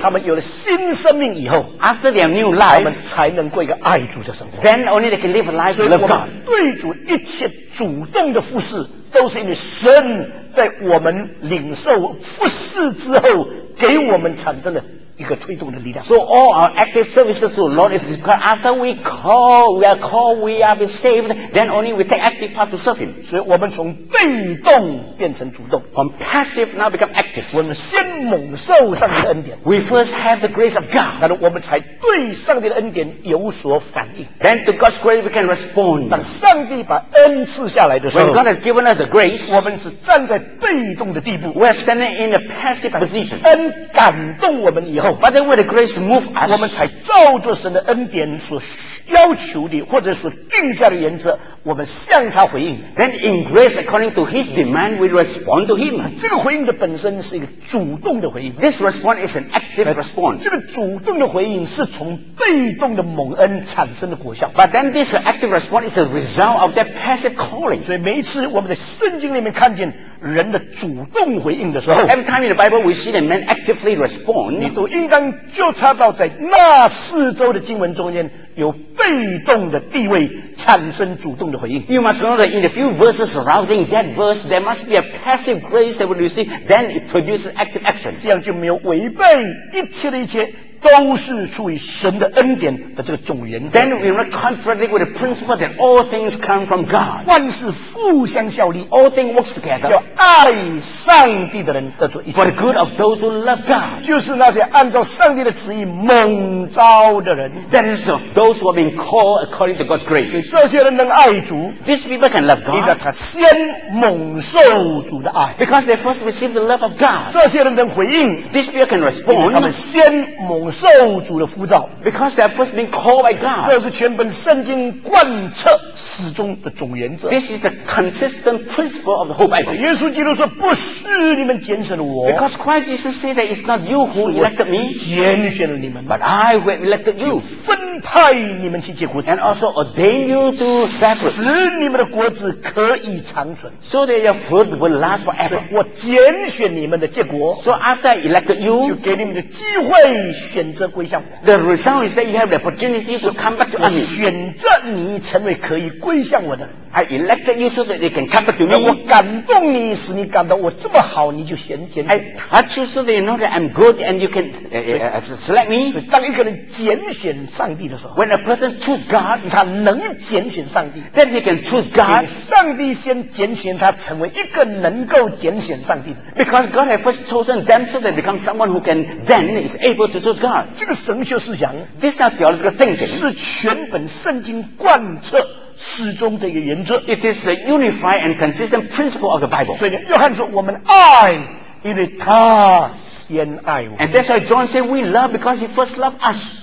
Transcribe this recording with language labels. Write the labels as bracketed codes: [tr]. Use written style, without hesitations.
[zh] 他们有了新生命以后 [en] after their new life, [zh] 他们才能过一个爱主的生活 [en] then only they can live a life of God [zh] 对主一切主动的服事都是因为神在我们领受服事之后给我们产生的一个推动的力量 [en] so all our active services to the Lord is required after we call we are called we are being saved then only we take active part to serve him [zh] 所以我们从被动变成主动 [en] from passive now become active [zh] 我们先蒙受上帝的恩典 [en] we first have the grace of God [zh] 然后我们才对上帝的恩典有所反应 [en] then to God's grace we can respond [zh] 当上帝把恩赐下来的时候 [en] when God has given us the grace [zh] 我们是站在被动的地步 [en] we are standing in a passive position [zh] 恩感动我们以后 [en] But then when the grace move us, [zh] 我们才照着神的恩典所要求的或者所定下的原则我们向他回应 [en] Then in grace according to his demand we respond to him [zh] 这个回应的本身是一个主动的回应 [en] This response is an active response [zh] 这个主动的回应是从被动的蒙恩产生的果效 [en] But then this active response is a result of that passive calling [zh] 所以每一次我们在圣经里面看见人的主动回应的时候 [en] Every time in the Bible we see the man actively respond [zh] 你都应当就察到在那四周的经文中间有被动的地位产生主动的回应 [en] You must know that in the few verses surrounding that verse there must be a passive grace that we receive then it produces active action [zh] 这样就没有违背一切的一切都是出于神的恩典的这个总原则 [en] Then we are contradicting with the principle that all things come from God [zh] 万事互相效力 [en] All things work together [zh] 叫爱上帝的人得出益处 [en] For the good of those who love God [zh] 就是那些按照上帝的旨意蒙召的人 [en] That is those who have been called according to God's grace [zh] 所以这些人能爱主 [en] These people can love God [zh] 因为他先蒙受主的爱 [en] Because they first received the love of God [zh] 这些人能回应 [en] These people can respond [zh] 因为他们先蒙蒙受主的呼召 [en] Because they have first been called by God [zh] 这是全本圣经贯彻始终的总原则 [en] This is the consistent principle of the whole Bible [zh] 耶稣基督说不是你们拣选了我 [en] Because Christ Jesus said that it's not you who elected me [zh] 拣选了你们 [en] But I who elected you [zh] 分派你们去结果子 [en] And also ordain you to suffer [zh] 使你们的果子可以长存 [en] So that your fruit will last forever [zh] 我拣选你们的结果 [en] So after I elected you [zh] 就给你们的机会选择归向我 [en] The result is that you have the opportunity to come back to me [zh] 选择你成为可以归向我的 [en] I elected you so that you can come back to me [zh] 我感动你使你感到我这么好你就选拣 [en] I touch you so that you know that I'm good and you can select me [zh] 当一个人拣选上帝的时候 [en] When a person choose God [zh] 他能拣选上帝 [en] Then he can choose God [zh] 上帝先拣选他成为一个能够拣选上帝的 [en] Because God has first chosen them so they become someone who can then is able to choose God [zh] 这个神学思想 [en] This is theological thinking [zh] 是全本圣经贯彻始终的一个原则 [en] It is the unified and consistent principle of the Bible [zh] 所以约翰说我们爱因为他先爱我 [en] And that's why John said we love because he first loved us